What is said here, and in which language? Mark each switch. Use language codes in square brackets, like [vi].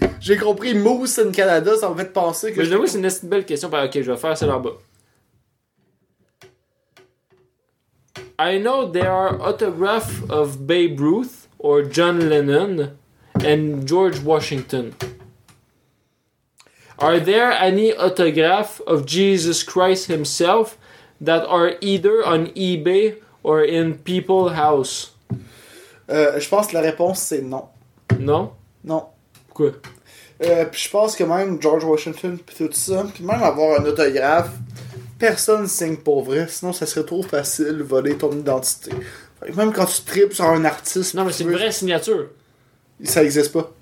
[fr] J'ai compris Moose in Canada, ça m'a fait penser que. Mais je l'avoue, c'est une belle question. Ok, je vais faire celle en bas. [en] I know there are autographs of Babe Ruth or John Lennon and George Washington. Are there any autographs of Jesus Christ himself that are either on eBay or in People House? [fr] Je pense que la réponse, c'est non. Non? Non. Pourquoi? Puis je pense que même George Washington puis tout ça, puis même avoir un autographe, personne signe pour vrai, sinon ça serait trop facile de voler ton identité. Fait que même quand tu tripes sur un artiste... Non, mais c'est une vraie signature. Ça existe pas?